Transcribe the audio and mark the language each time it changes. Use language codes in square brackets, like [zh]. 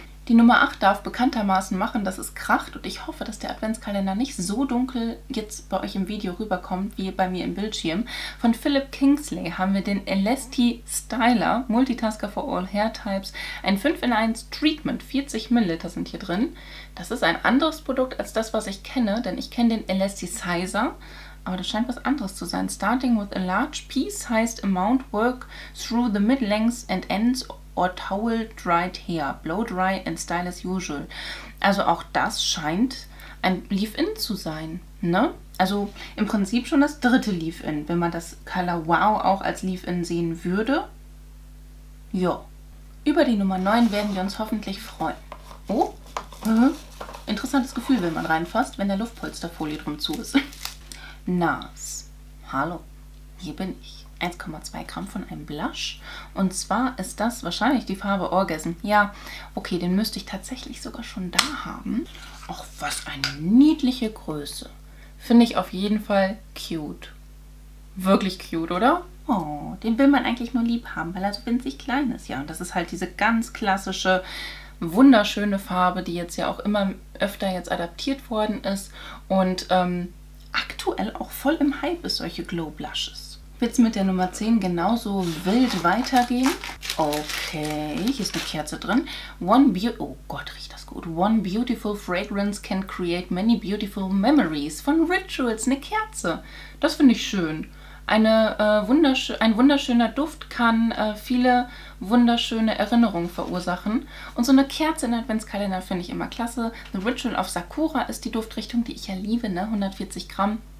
[de] Die Nummer 8 darf bekanntermaßen machen, dass es kracht, und ich hoffe, dass der Adventskalender nicht so dunkel jetzt bei euch im Video rüberkommt, wie bei mir im Bildschirm. Von Philip Kingsley haben wir den Elasti Styler Multitasker for All Hair Types, ein 5-in-1 Treatment, 40 Milliliter sind hier drin. Das ist ein anderes Produkt als das, was ich kenne, denn ich kenne den Elasti Sizer, aber das scheint was anderes zu sein. [en] Starting with a large pea-sized amount, work through the mid-lengths and ends or towel dried hair, blow dry and style as usual. [de] Also auch das scheint ein Leave-In zu sein, ne? Also im Prinzip schon das dritte Leave-In, wenn man das Color Wow auch als Leave-In sehen würde. Ja. Über die Nummer 9 werden wir uns hoffentlich freuen. Oh, interessantes Gefühl, wenn man reinfasst, wenn der Luftpolsterfolie drum zu ist. Nars. Hallo, hier bin ich. 1,2 Gramm von einem Blush. Und zwar ist das wahrscheinlich die Farbe Orgasm. Ja, okay, den müsste ich tatsächlich sogar schon da haben. Ach, was eine niedliche Größe. Finde ich auf jeden Fall cute. Wirklich cute, oder? Oh, den will man eigentlich nur lieb haben, weil er so winzig klein ist. Ja, und das ist halt diese ganz klassische, wunderschöne Farbe, die jetzt ja auch immer öfter jetzt adaptiert worden ist. Und aktuell auch voll im Hype ist, solche Glow Blushes. Wird es mit der Nummer 10 genauso wild weitergehen? Okay, hier ist eine Kerze drin. Oh Gott, riecht das gut. [en] One beautiful fragrance can create many beautiful memories. [de] Von Rituals, eine Kerze. Das finde ich schön. Ein wunderschöner Duft kann viele wunderschöne Erinnerungen verursachen. Und so eine Kerze in Adventskalender finde ich immer klasse. The Ritual of Sakura ist die Duftrichtung, die ich ja liebe, ne? 140 Gramm.